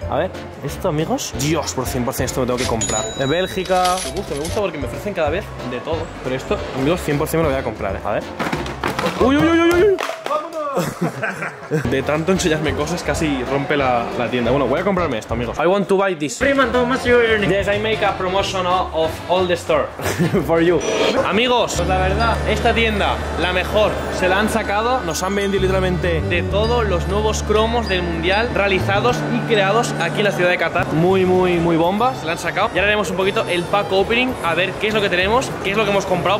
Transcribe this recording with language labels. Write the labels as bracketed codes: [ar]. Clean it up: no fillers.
[es] A ver, esto, amigos. Dios, por 100% esto me tengo que comprar. De Bélgica. Me gusta porque me ofrecen cada vez de todo. Pero esto, amigos, 100% me lo voy a comprar, ¿eh? A ver. ¡Uy! De tanto enseñarme cosas casi rompe la tienda. Bueno, voy a comprarme esto, amigos. [en] I want to buy this. Freeman Thomas, you're earning. Yes, I make a promotion of all the store for you. [es] Amigos, pues la verdad, esta tienda, la mejor, se la han sacado. Nos han vendido literalmente de todos los nuevos cromos del Mundial realizados y creados aquí en la ciudad de Qatar. Muy bomba, se la han sacado. Y ahora haremos un poquito el pack opening, a ver qué es lo que tenemos, qué es lo que hemos comprado.